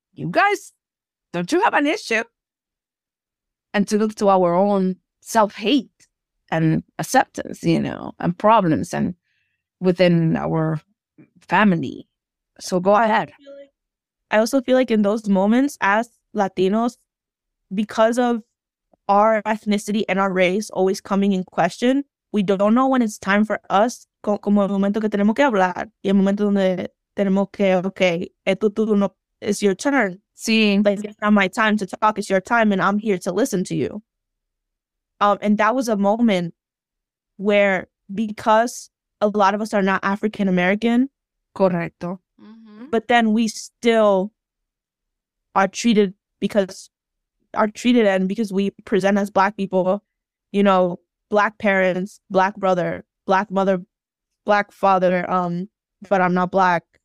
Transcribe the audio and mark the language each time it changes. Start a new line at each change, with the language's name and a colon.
English: You guys, don't you have an issue? And to look to our own self-hate and acceptance, you know, and problems and within our family. So go ahead. I also feel like in those moments as Latinos, because of our ethnicity and our race always coming in question, we don't know when it's time for us.
Spanish: Como el momento que tenemos que hablar y el momento donde tenemos que,
English: okay, it's your turn. Seeing, it's not my time to talk, it's your time, and I'm here to listen to you. And that was a moment where, because a lot of us are not African American,
Spanish: correcto,
English: but then we still are treated because we present as Black people, you know, Black parents, Black brother, Black mother, Black father, but I'm not Black.